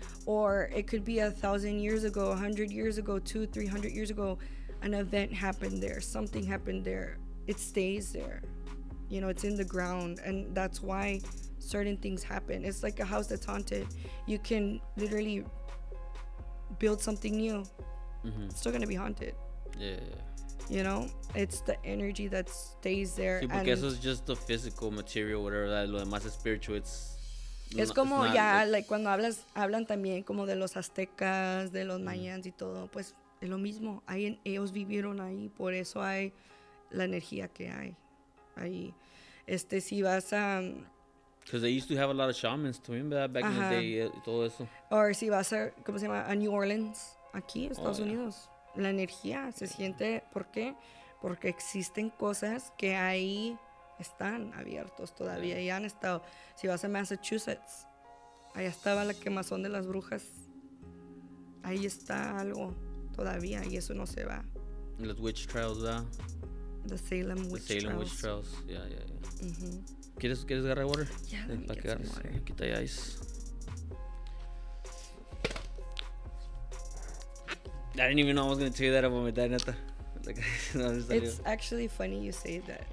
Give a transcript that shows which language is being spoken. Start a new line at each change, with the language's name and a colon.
English: Or it could be 1,000 years ago, 100 years ago, 200-300 years ago, an event happened there, something happened there, it stays there, you know, it's in the ground, and that's why certain things happen. It's like a house that's haunted, you can literally build something new, mm-hmm. It's still gonna be haunted. Yeah. You know, it's the energy that stays there.
Spanish: Sí, porque eso es
English: just the physical, material, whatever.
Spanish: Lo demás es spiritual. It's es como,
English: it's not, yeah, it's, like,
Spanish: cuando hablas, hablan también como de los aztecas, de los mayas y todo. Pues es lo mismo. Ahí ellos vivieron ahí. Por eso hay la energía que hay ahí. Este, si vas a...
English: Because they used to have a lot of shamans, to remember that back in the day,
Spanish: todo eso. Or si vas a, ¿cómo se llama? A New Orleans, aquí, Estados Unidos. Yeah. La energía se siente, ¿por qué? Porque existen cosas que ahí están abiertos todavía y han estado. Si vas a Massachusetts, allá estaba la quemazón de las brujas. Ahí está algo todavía y eso no se va. Los witch trials, ¿verdad?
English: The Salem witch trials. The Salem witch trials, yeah, yeah, yeah.
Spanish: Mm-hmm. ¿Quieres agarrar water?
English: Yeah, let me get some water. I didn't even know I was going to tell you that about my dad, neta. It's actually funny you say that.